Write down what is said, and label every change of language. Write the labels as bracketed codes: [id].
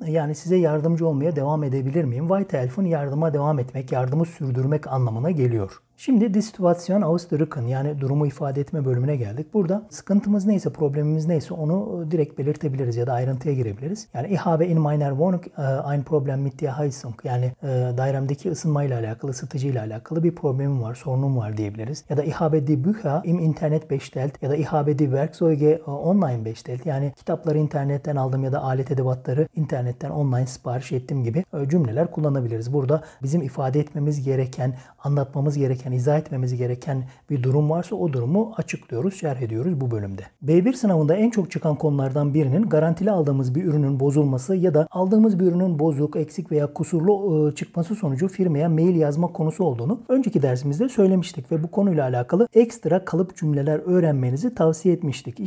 [tr] Yani size yardımcı olmaya devam edebilir miyim? Weiterhelfen yardıma devam etmek, yardımı sürdürmek anlamına geliyor. Şimdi [de] die Situation ausdrücken, [tr] yani durumu ifade etme bölümüne geldik. Burada sıkıntımız neyse, problemimiz neyse onu direkt belirtebiliriz ya da ayrıntıya girebiliriz. [de] Yani ich habe in meiner Wohnung ein Problem mit der Heizung. [tr] Yani dairemdeki ısınmayla alakalı, ısıtıcıyla alakalı bir problemim var, sorunum var diyebiliriz. [de] Ya da ich habe die Bücher im Internet bestellt. Ya da ich habe die Werkzeuge online bestellt. [tr] Yani kitapları internetten aldım ya da alet edevatları internetten online sipariş ettim gibi cümleler kullanabiliriz. Burada bizim ifade etmemiz gereken, anlatmamız gereken, yani izah etmemiz gereken bir durum varsa o durumu açıklıyoruz, şerh ediyoruz bu bölümde. B1 sınavında en çok çıkan konulardan birinin garantili aldığımız bir ürünün bozulması ya da aldığımız bir ürünün bozuk, eksik veya kusurlu çıkması sonucu firmaya mail yazma konusu olduğunu önceki dersimizde söylemiştik ve bu konuyla alakalı ekstra kalıp cümleler öğrenmenizi tavsiye etmiştik.